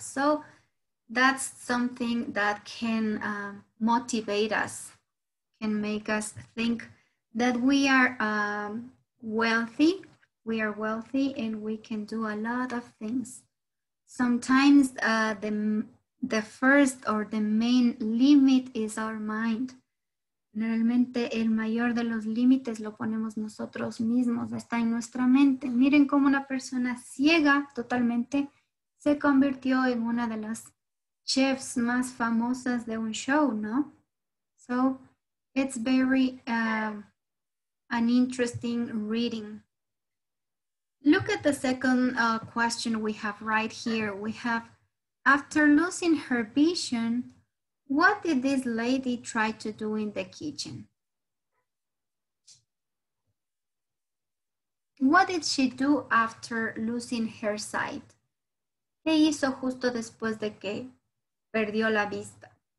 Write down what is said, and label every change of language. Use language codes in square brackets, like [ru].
[en] So that's something that can motivate us, can make us think that we are wealthy. We are wealthy and we can do a lot of things. Sometimes the first or the main limit is our mind. [es] Generalmente el mayor de los límites lo ponemos nosotros mismos, está en nuestra mente. Miren cómo una persona ciega totalmente se convirtió en una de las chefs más famosas de un show, ¿no? [en] So, it's very an interesting reading. Look at the second question we have right here. We have, after losing her vision, what did this lady try to do in the kitchen? What did she do after losing her sight? [es] ¿Qué hizo justo después de que perdió la vista?